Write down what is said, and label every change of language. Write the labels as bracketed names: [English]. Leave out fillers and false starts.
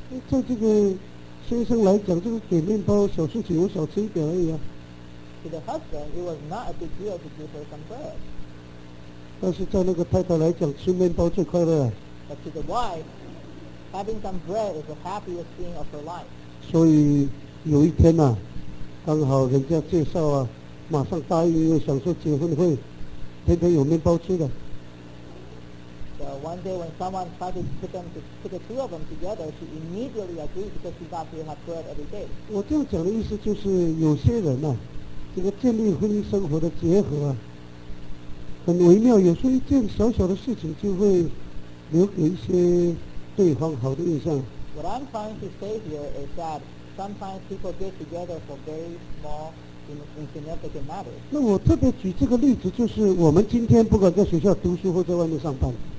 [Chinese] 在这个先生来讲，这个给面包小事情，我少吃一点而已啊。 [English] To the husband, it was not a big deal to give her some bread. [Chinese] 但是在那个太太来讲，吃面包最快乐。 [English] But to the wife, having some bread is the happiest thing of her life. [Chinese] 所以有一天啊，刚好人家介绍啊，马上答应，又想说结婚会，天天有面包吃的。 [English] One day when someone tried to put the two of them together, she immediately agreed because she thought she would have bread every day. [Chinese] 我这样讲的意思就是有些人啊，这个建立婚姻生活的结合啊，很微妙，有时候一件小小的事情就会留给一些对方好的印象。 [English] What I'm trying to say here is that sometimes people get together for very small, insignificant matters. [Chinese] 那我特别举这个例子，就是我们今天不管在学校读书或在外面上班。